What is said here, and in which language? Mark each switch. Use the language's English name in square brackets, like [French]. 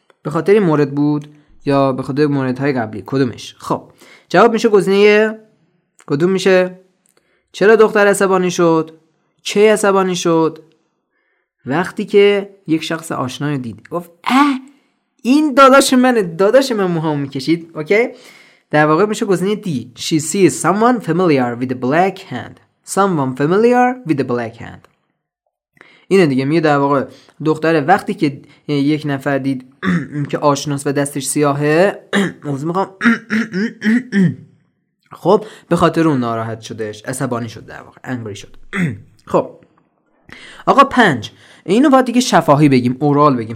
[Persian] به خاطر مورد بود یا به خاطر موردهای قبلی؟ کدومش؟ خب جواب میشه گزینه کدوم میشه؟ چرا دختر عصبانی شد؟ چه عصبانی شد؟ وقتی که یک شخص آشنا رو دید، گفت اه این داداش منه، داداش من موهامو میکشید. اوکی؟ در واقع میشه گزینه دی. [English] She sees someone familiar with a black hand. Someone familiar with a black hand. [Persian] اینه دیگه، میگه در واقع دختره وقتی که یک نفر دید که آشناس و دستش سیاهه، موضوع میخوام خب به خاطر اون ناراحت شدش، عصبانی شد، در واقع انگری شد. خب آقا 5، اینو باید دیگه شفاهی بگیم، اورال بگیم.